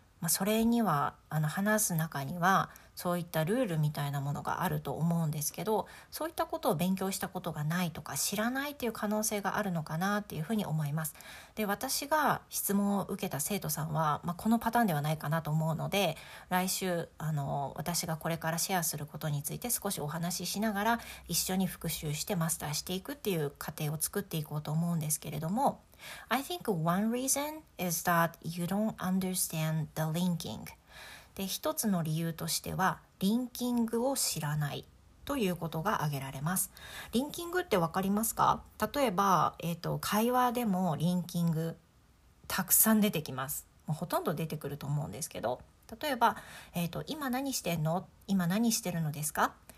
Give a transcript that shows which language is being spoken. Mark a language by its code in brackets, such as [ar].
[ja] まあ、それには話す中にはそういったルールみたいなものがあると思うんですけど、そういったことを勉強したことがないとか知らないっていう可能性があるのかなっていうふうに思います。で、私が質問を受けた生徒さんは、まあ、このパターンではないかなと思うので、来週私がこれからシェアすることについて少しお話ししながら一緒に復習してマスターしていくっていう過程を作っていこうと思うんですけれども、 [en] I think one reason is that you don't understand the linking. [ja] で一つの理由としてはリンキングを知らないということが挙げられます。リンキングって分かりますか？例えば、会話でもリンキングたくさん出てきます。もうほとんど出てくると思うんですけど、例えば、今何してんの？今何してるのですか？